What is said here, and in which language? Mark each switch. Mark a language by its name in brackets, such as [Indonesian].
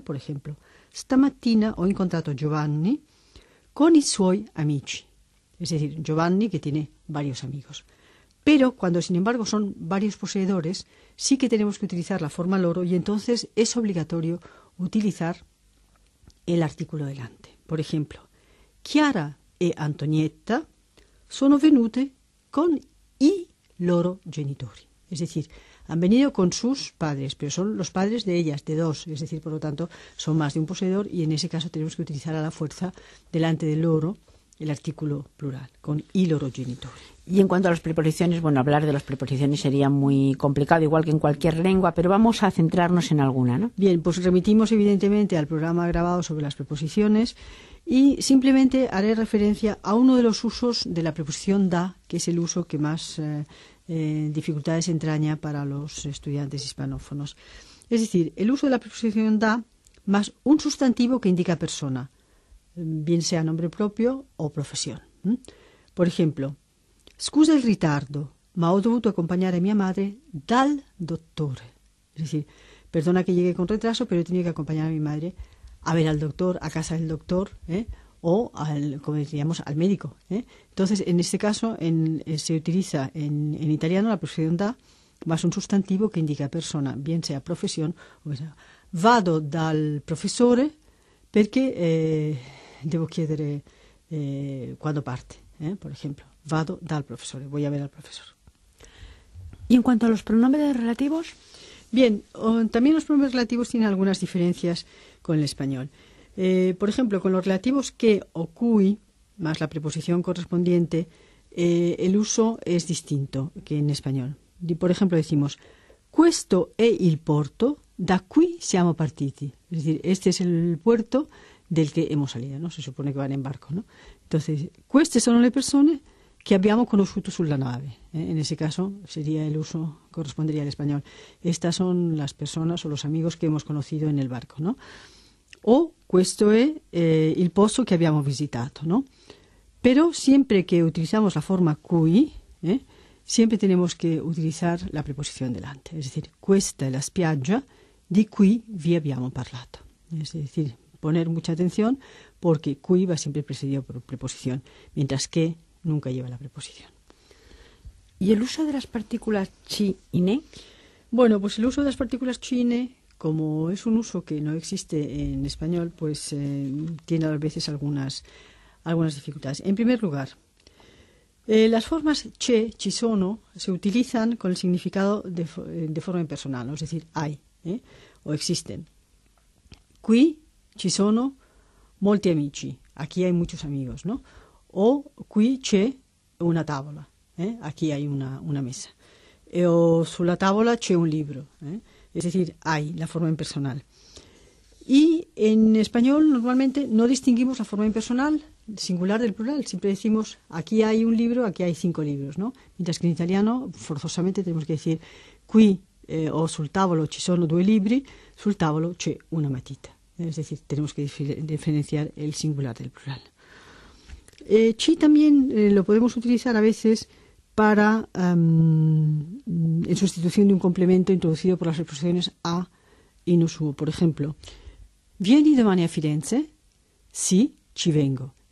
[Spanish] Por ejemplo, [Italian] stamattina ho incontrato Giovanni con i suoi amici, [Spanish] es decir, Giovanni que tiene varios amigos. Pero cuando, sin embargo, son varios poseedores, sí que tenemos que utilizar la forma loro y entonces es obligatorio utilizar el artículo delante. Por ejemplo, [Italian] Chiara e Antonietta sono venute con y loro genitori. [Spanish] Es decir, han venido con sus padres, pero son los padres de ellas, de dos. Es decir, por lo tanto, son más de un poseedor y en ese caso tenemos que utilizar a la fuerza delante del loro el artículo plural, con [Italian] y loro genitori. [Spanish] Y en cuanto a las preposiciones, bueno, hablar de las preposiciones sería muy complicado, igual que en cualquier lengua, pero vamos a centrarnos en alguna, ¿no? Bien, pues remitimos evidentemente al programa grabado sobre las preposiciones y simplemente haré referencia a uno de los usos de la preposición da, que es el uso que más dificultades entraña para los estudiantes hispanófonos. Es decir, el uso de la preposición da más un sustantivo que indica persona, bien sea nombre propio o profesión. Por ejemplo, [Italian] scusa il ritardo, ma ho dovuto accompagnare mia madre dal dottore. [Spanish] Es decir, perdona que llegue con retraso, pero he tenido que acompañar a mi madre a ver al doctor, a casa del doctor, o al, como diríamos, al médico. Entonces, en este caso, se utiliza en italiano la preposición da más un sustantivo que indica persona, bien sea profesión o sea. [Italian] Vado dal professore perché devo chiedere quando parte, [Spanish] por ejemplo. [Italian] Vado dal professore, [Spanish] voy a ver al profesor. ¿Y en cuanto a los pronombres relativos? Bien, también los pronombres relativos tienen algunas diferencias con el español. Por ejemplo, con los relativos que o cui, más la preposición correspondiente, el uso es distinto que en español. Por ejemplo, decimos, [Italian] questo è il porto, da qui siamo partiti. [Spanish] Es decir, este es el puerto del que hemos salido, ¿no? Se supone que van en barco, ¿no? Entonces, [Italian] queste sono le persone che abbiamo conosciuto sulla nave. [Spanish] En ese caso, sería el uso, correspondería al español. Estas son las personas o los amigos que hemos conocido en el barco, ¿no? [Italian] O questo è il posto che abbiamo visitato, ¿no? [Spanish] Pero siempre que utilizamos la forma cui, siempre tenemos que utilizar la preposición delante. Es decir, [Italian] questa è la spiaggia di cui vi abbiamo parlato. [Spanish] Es decir, poner mucha atención porque cui va siempre precedido por preposición, mientras que nunca lleva la preposición. ¿Y el uso de las partículas chi y ne? Bueno, pues el uso de las partículas chi y ne, como es un uso que no existe en español, pues tiene a veces algunas dificultades. En primer lugar, las formas che, ci sono, se utilizan con el significado de forma impersonal, ¿no? Es decir, hay o existen. [Italian] Qui ci sono molti amici, [Spanish] aquí hay muchos amigos, ¿no? [Italian] O qui c'è una tavola, [Spanish] aquí hay una mesa. [Italian] O sulla tavola c'è un libro, [Spanish] Es decir, hay la forma impersonal. Y en español normalmente no distinguimos la forma impersonal singular del plural. Siempre decimos aquí hay un libro, aquí hay cinco libros, ¿no? Mientras que en italiano forzosamente tenemos que decir [Italian] qui o sul tavolo ci sono due libri, sul tavolo c'è una matita. [Spanish] Es decir, tenemos que diferenciar el singular del plural. Chi también lo podemos utilizar a veces para en sustitución de un complemento introducido por las preposiciones a y no su. Por ejemplo, [Italian] ¿vieni domani a Firenze? Sí, ci vengo.